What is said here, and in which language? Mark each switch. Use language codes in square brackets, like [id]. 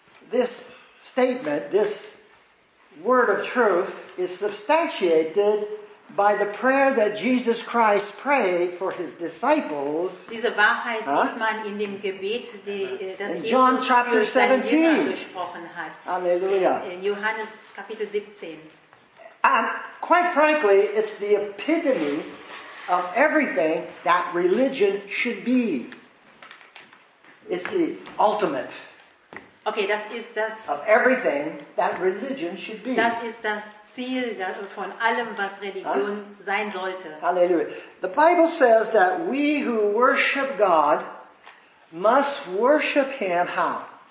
[en] This statement, this word of truth is substantiated by the prayer that Jesus Christ prayed for his disciples. [de] Diese Wahrheit sieht man in dem Gebet, das [en] in John chapter 17. [de] Halleluja. In Johannes Kapitel 17. [en] And quite frankly, it's the epitome of everything that religion should be. It's the ultimate. [de] Okay, das ist das [en] of everything that religion should be. [de] Das ist das Ziel von allem, was Religion sein sollte. [en] Hallelujah. The Bible says that we who worship God must worship him how?